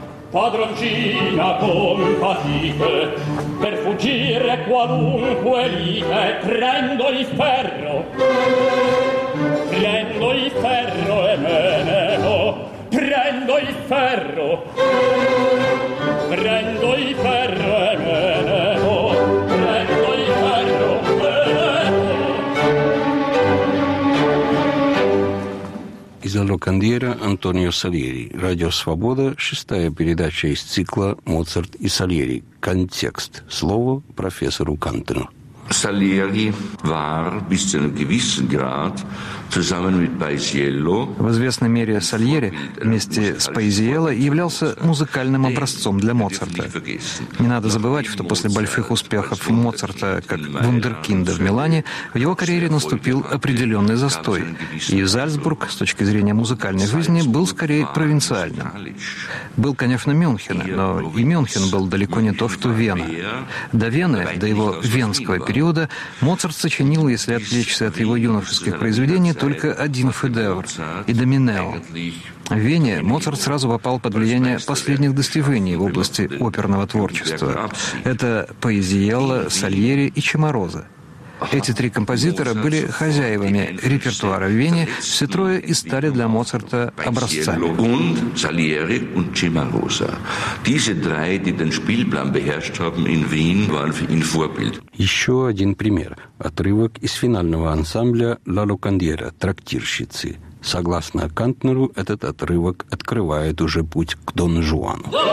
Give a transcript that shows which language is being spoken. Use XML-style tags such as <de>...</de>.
<it>Padroncina con fatica, per fuggire qualunque lite, prendo il ferro e me ne vo, prendo. prendo il ferro, prendo il ferro e me ne vo, prendo il ferro e me ne vo.</it> <ru>Из Алокандьера Антонио Сальери. Радио Свобода. Шестая передача из цикла «Моцарт и Сальери». Контекст. Слово профессору Кантену.</ru> <de>Salieri war bis zu einem gewissen Grad zusammen mit Paisiello.</de> <ru>В известной мере Сальери вместе с Пайзиелло являлся музыкальным образцом для Моцарта. Не надо забывать, что после больших успехов Моцарта как вундеркинда в Милане в его карьере наступил определенный застой, и Зальцбург с точки зрения музыкальной жизни был скорее провинциальным. Был, конечно, Мюнхен, но и Мюнхен был далеко не то, что Вена. До Вены, до его венского периода, Моцарт сочинил, если отвлечься от его юношеских произведений, только один шедевр – «Идоминео». В Вене Моцарт сразу попал под влияние последних достижений в области оперного творчества. Это Паэзиелло, Сальери и Чимароза. Эти три композитора были хозяевами репертуара в Вене, все трое и стали для Моцарта образцами.</ru> <de>Und Salieri und Cimarosa. Diese drei, die den Spielplan beherrscht haben in Wien, waren für ihn Vorbild.</de> <ru>Еще один пример. Отрывок из финального ансамбля «Ла Локандьера» «Трактирщицы». Согласно Кантнеру, этот отрывок открывает уже путь к Дон Жуану.</ru>